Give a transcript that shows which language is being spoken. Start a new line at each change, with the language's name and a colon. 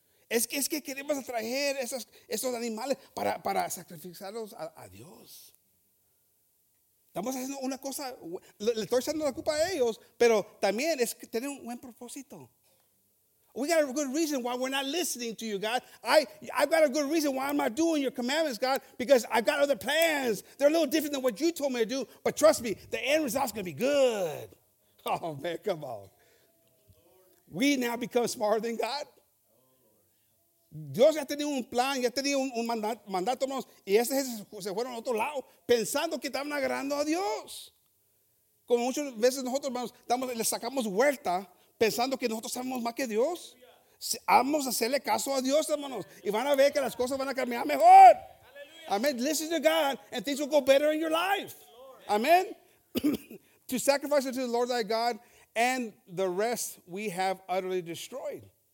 Spanish: Es que queremos traer esos animales para sacrificarlos a Dios. Estamos haciendo una cosa, le estoy echando la culpa a ellos, pero también es tener un buen propósito.
English: We got a good reason why we're not listening to you, God. I've got a good reason why I'm not doing your commandments, God, because I've got other plans. They're a little different than what you told me to do, but trust me, the end result's going to be good. Oh, man, come on. We now become smarter than God.
Spanish: Dios ya tenía un plan, ya tenía un mandato, hermanos, y esas se fueron a otro lado pensando que estaban agarrando a Dios. Como muchas veces nosotros, hermanos, le sacamos vuelta pensando que nosotros sabemos más que Dios. Vamos a hacerle caso a Dios, hermanos, y van a ver que las cosas van a cambiar mejor.
English: Amen. Listen to God and things will go better in your life. Amen. To sacrifice unto the Lord thy God, and the rest we have utterly destroyed.